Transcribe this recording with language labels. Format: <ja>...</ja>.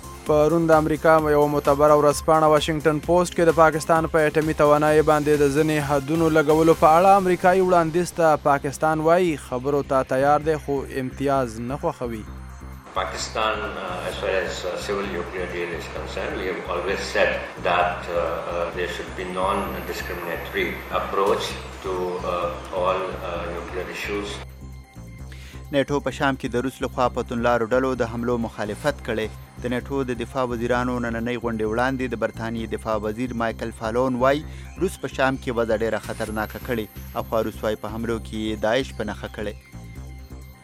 <ps>پرون د امریکا یو معتبر ورځپاڼه واشنگتن پوسټ کې د پاکستان په اټمي توانایي باندې د ځینې حدونو لګولو په اړه امریکایي وړاندیز ته پاکستان وایي خبرو ته تیار دی خو امتیاز نه خوښوي.</ps> <en>Pakistan, as far as civil nuclear deal is concerned, we have always said that there should be non-discriminatory approach to all nuclear issues.</en> <ps>نیټو په شام کې د روس لخوا پتون لارو ډلو د حملو مخالفت کړی. د نیټو د دفاع وزیرانو نننۍ غونډې وړاندې د برتانیې دفاع وزیر مایکل فالون وای روس په شام کې وضع ډیره خطرناکه کړې او خوا روس وای په حملو کې داعش په نښه کړی.</ps>